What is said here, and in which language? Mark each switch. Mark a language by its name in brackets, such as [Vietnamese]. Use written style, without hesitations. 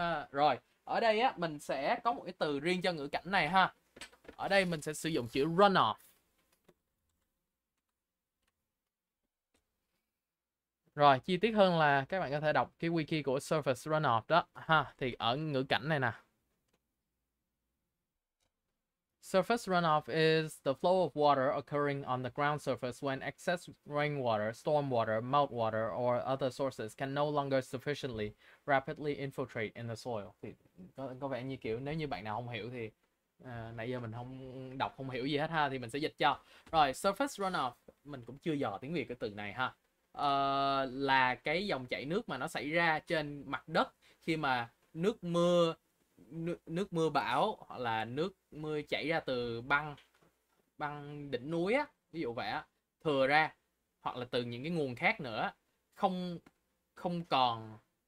[Vietnamese] Rồi, ở đây á mình sẽ có một cái từ riêng cho ngữ cảnh này ha. Ở đây mình sẽ sử dụng chữ runoff. Rồi, chi tiết hơn là các bạn có thể đọc cái wiki của Surface Runoff đó ha, thì ở ngữ cảnh này nè. [English] Surface runoff is the flow of water occurring on the ground surface when excess rainwater, stormwater, meltwater or other sources can no longer sufficiently rapidly infiltrate in the soil. [Vietnamese] Thì có vẻ như kiểu nếu như bạn nào không hiểu thì nãy giờ mình không đọc không hiểu gì hết ha, thì mình sẽ dịch cho. Rồi, surface runoff mình cũng chưa dò tiếng Việt cái từ này ha. Là cái dòng chảy nước mà nó xảy ra trên mặt đất khi mà nước mưa bão hoặc là nước mưa chảy ra từ băng băng đỉnh núi á, ví dụ vậy á, thừa ra hoặc là từ những cái nguồn khác nữa không không còn.